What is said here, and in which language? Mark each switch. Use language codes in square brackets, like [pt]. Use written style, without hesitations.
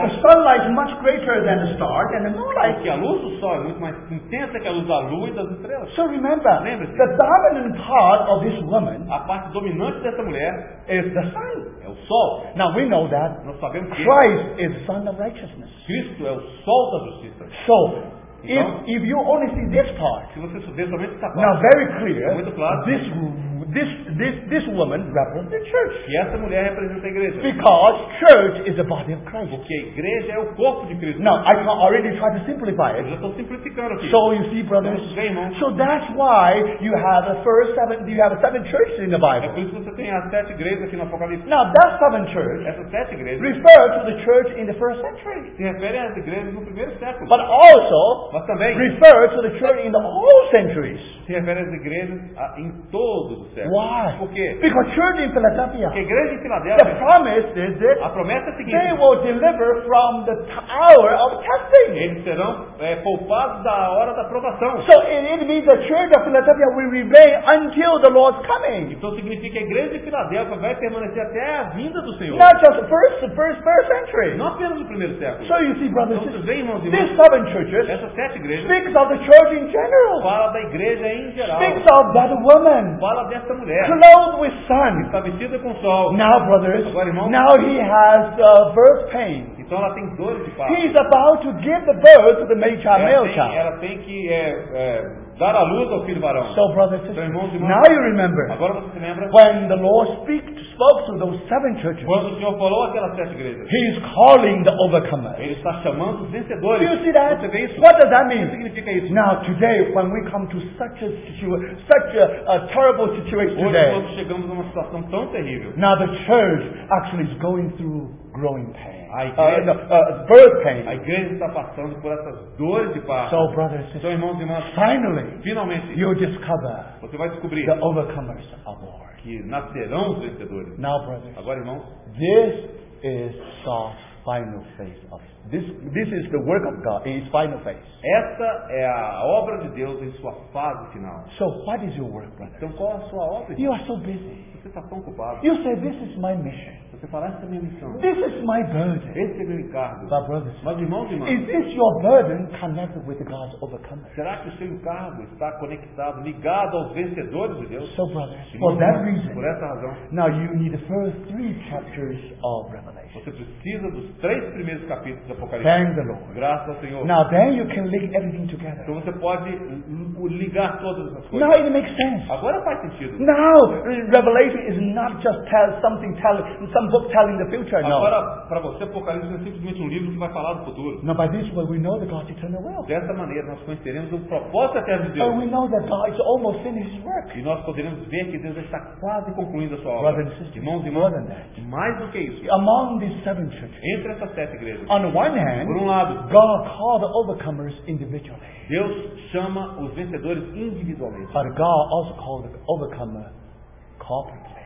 [en] The sunlight is much greater than the stars and the moonlight. [pt] Porque a luz do sol é muito mais intensa que a luz da lua e das estrelas. [en] So remember, [pt] lembre-se, [en] the dominant part of this woman, [pt] a parte dominante dessa mulher, [en] is the sun. [pt] É o sol. [en] Now we know that. [pt] Nós sabemos que [en] Christ is the sun of righteousness. [pt] Cristo é o sol da justiça. [en] So, [pt] então, [en] if you only see this part, [pt] se você só vê somente essa parte, [en] now very clear, [pt] muito claro, [en] this woman represents the church. [pt] E essa mulher representa a igreja. [en] Because church is the body of Christ. [pt] Porque a igreja é o corpo de Cristo. [en] Now I can already try to simplify it. [pt] Eu já estou simplificando aqui. [en] So you see, brothers. So that's why you have the first seven. You have 7 churches in the Bible. [pt] É por isso que você tem as 7 igrejas aqui no Apocalipse. [en] Now that 7 church. [pt] Essas 7 igrejas. [en] Refer to the church in the first century. [pt] Se refere às igrejas no primeiro século. [en] But also. [pt] Mas também. [en] Refer to the church in the whole centuries. [pt] Se refere às igrejas em todos os séculos. [en] Why? [pt] Por quê? [en] Because church in Philadelphia. [pt] Porque a igreja em Filadélfia. [en] The promise is that. [pt] A promessa é a seguinte. [en] They will deliver from the hour of testing. [pt] Eles serão poupados da hora da provação. [en] So it means the church of Philadelphia will remain until the Lord's coming. [pt] Então significa que a igreja em Filadélfia vai permanecer até a vinda do Senhor. [en] Not just first century. [pt] Não apenas no primeiro século. [en] So you see, brothers, [pt] então, vem, irmãos, [en] these seven churches. [pt] Essas 7 igrejas. [en] Speaks of the church in general. [pt] Fala da igreja. [en] Speaks of that woman. [pt] Fala dessa mulher. [en] Clothed with sun. [pt] Está vestida com sol. [en] Now, brothers. [pt] Agora, irmãos, [en] now he has birth pain. [pt] Então ela tem dores de parto. [en] He is about to give the birth to the male child. [pt] Ela tem que dar à luz ao filho varão. [en] So, brothers, [pt] então, irmãos, irmãos, [en] now you remember. [pt] Agora você lembra? [en] When the Lord spoke to those 7 churches. [pt] Quando o Senhor falou àquelas 7 igrejas. [en] He is calling the overcomer. [pt] Ele está chamando os vencedores. [en] Do you see that? [pt] Você vê isso? [en] What does that mean? [pt] O que significa isso? [en] Now today, when we come to such a terrible situation [pt] hoje, [en] today. [pt] Hoje chegamos numa situação tão terrível. [en] Now the church actually is going through growing pain. [pt] A igreja, [en] birth pain. [pt] A igreja está passando por essas dores de parto. [en] So brothers and sisters. [pt] Então, irmãos e irmãs, [en] finally, [pt] finalmente, [en] you discover. [pt] Você vai descobrir. [en] The overcomers are born. [pt] Que nascerão os vencedores. [en] Now, brothers, [pt] agora, irmãos, [en] this is God's final phase of this is the work of God in His final phase. [pt] Essa é a obra de Deus em sua fase final. [en] So what is your work, brother? [pt] Então qual é a sua obra? [en] You are so busy. [pt] Você está tão ocupado. [en] You say this is my mission. [pt] Você fala essa é minha missão. [en] This is my burden. [pt] Esse é meu encargo. [en] But brothers, [pt] mas irmãos e irmãs, [en] is this your burden connected with God's overcomer? [pt] Será que o seu encargo está conectado, ligado aos vencedores de Deus? [en] So brothers, for that reason, [pt] por essa razão, [en] now you need the first 3 chapters of Revelation. [pt] Você precisa dos 3 primeiros capítulos do Apocalipse. [en] Thank the Lord. [pt] Graças ao Senhor. [en] Now then you can link everything together. [pt] Então você pode ligar todas as coisas. [en] Now it makes sense. [pt] Agora faz sentido. [en] Now Revelation is not just some book telling the future. [pt] Agora, para você, Apocalipse é simplesmente livro que vai falar do futuro. [en] Now, by this way, we know that God's eternal will. [pt] Dessa maneira, nós conheceremos o propósito eterno de Deus. [en] And we know that God is almost finished His work. [pt] E nós poderemos ver que Deus está quase concluindo a sua obra. [en] Brothers and sisters, [pt] irmãos e irmãs, mais do que isso. [en] Among these 7 churches, [pt] entre essas 7 igrejas, [en] on one hand, [pt] por um lado, [en] God called the overcomers individually. [pt] Deus chama os vencedores. vencedores individualmente. [en] But God also called the overcomer corporately.